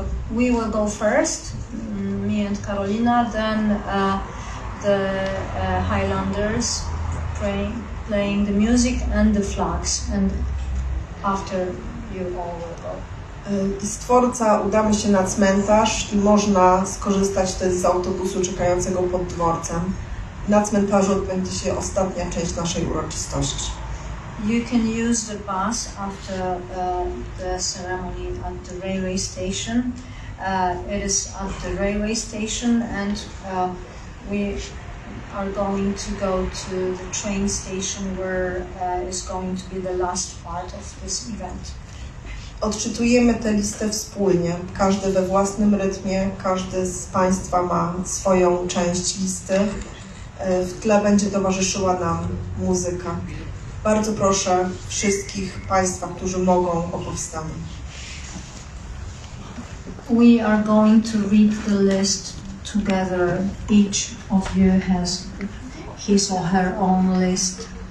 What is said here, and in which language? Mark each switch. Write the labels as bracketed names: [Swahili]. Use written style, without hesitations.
[English] We will go first, me and Karolina, then the Highlanders playing the music and the flags, and after you all will go. [Polish] Z dworca udamy się na cmentarz i można skorzystać też z autobusu czekającego pod dworcem. Na cmentarzu odbędzie się ostatnia część naszej uroczystości. [English] You can use the bus after the ceremony at the railway station. It is at the railway station and we are going to go to the train station where is going to be the last part of this event. [Polish] Odczytujemy tę listę wspólnie, każdy we własnym rytmie, każdy z Państwa ma swoją część listy. W tle będzie towarzyszyła nam muzyka. Bardzo proszę wszystkich Państwa, którzy mogą, o powstanie. [English] We are going to read the list together. Each of you has his or her own list.